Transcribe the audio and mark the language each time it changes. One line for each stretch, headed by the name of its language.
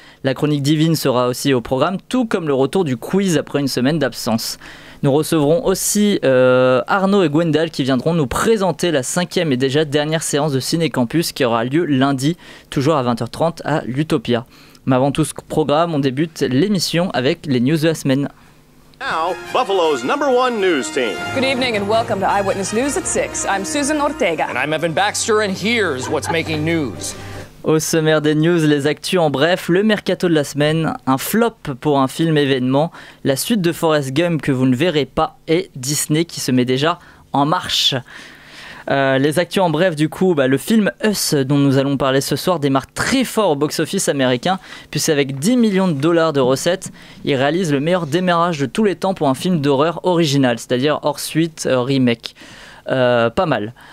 French: La chronique divine sera aussi au programme, tout comme le retour du quiz après une semaine d'absence. Nous recevrons aussi Arnaud et Gwendal qui viendront nous présenter la cinquième et déjà dernière séance de Ciné Campus qui aura lieu lundi, toujours à 20h30 à l'Utopia. Mais avant tout ce programme, on débute l'émission avec les news de la semaine.
English: Now, Buffalo's number one news team. Good evening and welcome to Eyewitness News at 6. I'm Susan Ortega. And I'm Evan Baxter and here's what's making news.
French: Au sommaire des news, les actus en bref, le mercato de la semaine, un flop pour un film événement, la suite de Forrest Gump que vous ne verrez pas et Disney qui se met déjà en marche. Les actus en bref du coup, le film Us dont nous allons parler ce soir démarre très fort au box-office américain, puis avec 10 millions de dollars de recettes, il réalise le meilleur démarrage de tous les temps pour un film d'horreur original, c'est-à-dire hors suite, remake. Pas mal.